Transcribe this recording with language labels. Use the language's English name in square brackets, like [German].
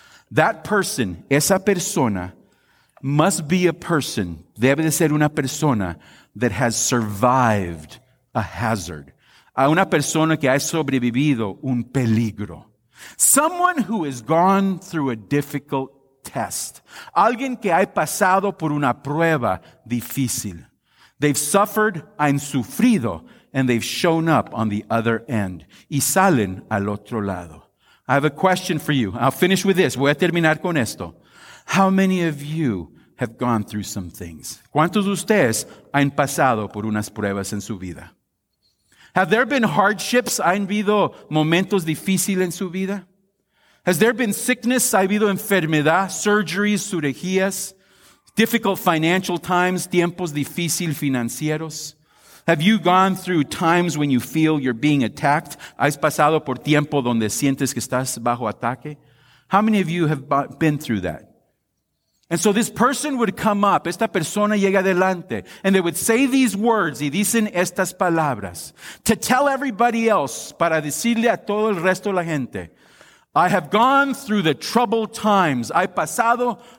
[English] That person, [Spanish] esa persona, [English] must be a person, [Spanish] debe de ser una persona, [English] that has survived a hazard. [Spanish] A una persona que ha sobrevivido un peligro. [English] Someone who has gone through a difficult test. [Spanish] Alguien que ha pasado por una prueba difícil. [English] They've suffered, [Spanish] han sufrido, [English] and they've shown up on the other end. [Spanish] Y salen al otro lado. [English] I have a question for you. I'll finish with this. [Spanish] Voy a terminar con esto. [English] How many of you have gone through some things? [Spanish] ¿Cuántos de ustedes han pasado por unas pruebas en su vida? [English] Have there been hardships? [Spanish] ¿Han habido momentos difíciles en su vida? [English] Has there been sickness? [Spanish] ¿Ha habido enfermedad? [English] Surgeries, cirugías, difficult financial times, [Spanish] tiempos difíciles financieros? [English] Have you gone through times when you feel you're being attacked? [Spanish] ¿Has pasado por tiempo donde sientes que estás bajo ataque? [English] How many of you have been through that? And so this person would come up, [Spanish] esta persona llega adelante, [English] and they would say these words, [Spanish] y dicen estas palabras, [English] to tell everybody else, [Spanish] para decirle a todo el resto de la gente, [English] I have gone through the troubled times, I pasado